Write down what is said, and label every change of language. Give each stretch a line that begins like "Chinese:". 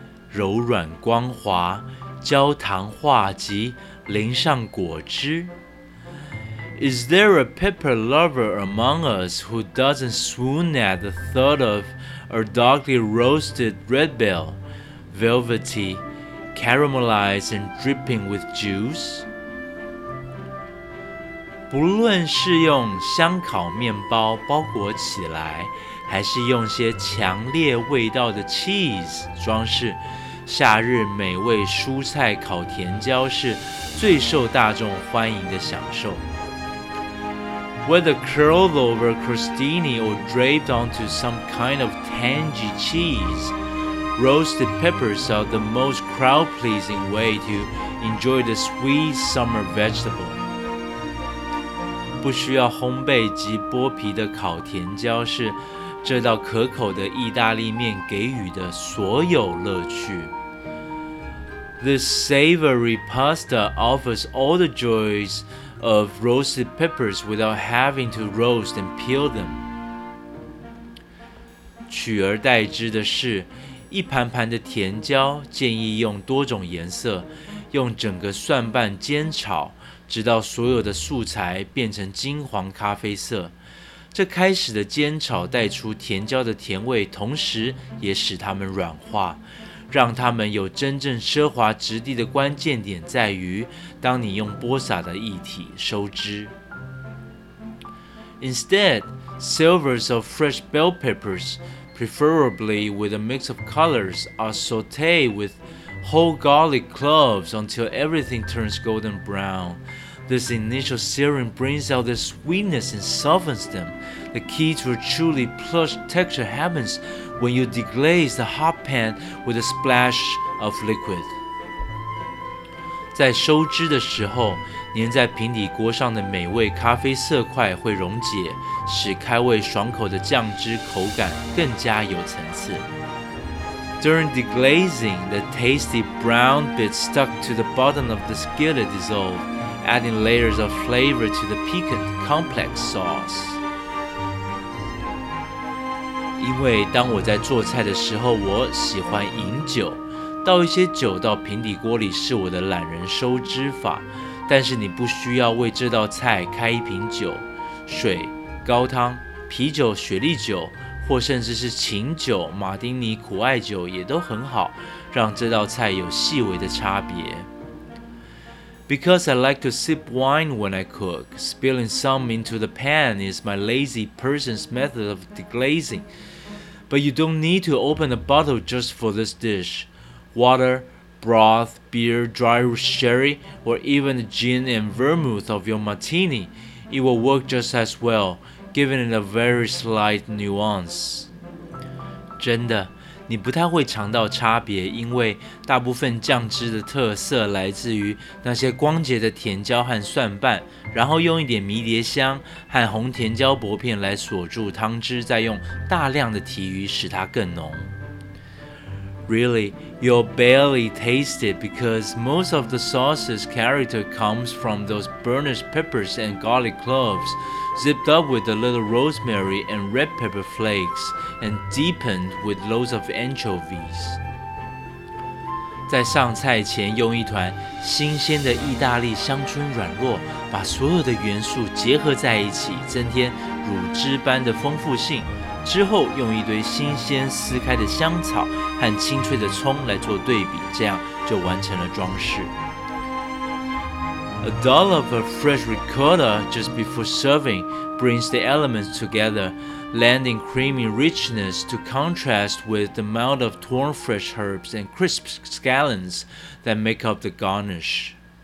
Chinese: 柔软光滑，焦糖化及淋上果汁。
English: Is there a pepper lover among us who doesn't swoon at the thought of a darkly roasted red bell, velvety, caramelized and dripping with juice?
Chinese: 不论是用香烤面包包裹起来，还是用些强烈味道的 cheese 装饰，夏日美味蔬菜烤甜椒是最受大众欢迎的享受。
English: Whether curled over crostini or draped onto some kind of tangy cheese, roasted peppers are the most crowd-pleasing way to enjoy the sweet summer vegetable.
Chinese: 不需要烘焙及剥皮的烤甜椒是这道可口的意大利面给予的所有乐趣。
English: This savory pasta offers all the joys of roasted peppers without having to roast and peel them.
Chinese: 取而代之的是，一盘盘的甜椒建议用多种颜色，用整个蒜瓣煎炒。直到所有的素材变成金黄咖啡色，这开始的煎炒带出甜椒的甜味，同时也使它们软化，让它们有真正奢华质地的关键点在于，当你用播撒的液体收汁。
English: Instead, silvers of fresh bell peppers, preferably with a mix of colors, are sautéed with whole garlic cloves until everything turns golden brown. This initial searing brings out the sweetness and softens them. The key to a truly plush texture happens when you deglaze the hot pan with a splash of liquid.
Chinese: 在收汁的时候，粘在平底锅上的美味咖啡色块会溶解，使开胃爽口的酱汁口感更加有层次。
English: During deglazing, the tasty brown bits stuck to the bottom of the skillet dissolve. Adding layers of flavor to the piquant complex sauce.
Chinese: 因为当我在做菜的时候，我喜欢饮酒，倒一些酒到平底锅里是我的懒人收汁法。但是你不需要为这道菜开一瓶酒、水、高汤、啤酒、雪莉酒，或甚至是琴酒、马丁尼、苦艾酒也都很好，让这道菜有细微的差别。
English: Because I like to sip wine when I cook, spilling some into the pan is my lazy person's method of deglazing. But you don't need to open a bottle just for this dish. Water, broth, beer, dry sherry, or even gin and vermouth of your martini, it will work just as well, giving it a very slight nuance.
Chinese: 真的，你不太会尝到差别，因为大部分酱汁的特色来自于那些光洁的甜椒和蒜瓣，然后用一点迷迭香和红甜椒薄片来锁住汤汁，再用大量的提鱼使它更浓。
English: Really, you'll barely taste it because most of the sauce's character comes from those burnished peppers and garlic cloves, zipped up with a little rosemary and red pepper flakes, and deepened with loads of anchovies.
Chinese: 在上菜前用一团新鲜的意大利香椿软络，把所有的元素结合在一起，增添乳汁般的丰富性。之后用一堆新鲜撕开的香草和清脆的葱来做对比，这样就完成了装饰。
English: A dollop of fresh ricotta just before serving brings the elements together, lending creamy richness to contrast with the amount of torn fresh herbs and crisp scallions that make up the garnish.